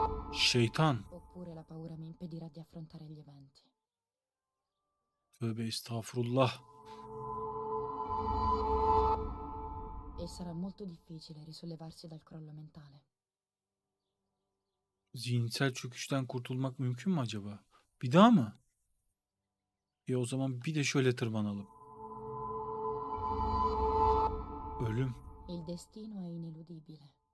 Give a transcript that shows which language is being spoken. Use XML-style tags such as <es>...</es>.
<tr>Şeytan.</tr> <it>Oppure la paura mi impedirà di affrontare gli eventi.</it> <tr>Tövbe estağfurullah.</tr> <it>E sarà molto difficile risollevarsi dal crollo mentale.</it> <tr>Zihinsel çöküşten kurtulmak mümkün mü acaba? Bir daha mı? E o zaman bir de şöyle tırmanalım. Ölüm.</tr> <it>Il destino è ineludibile.</it>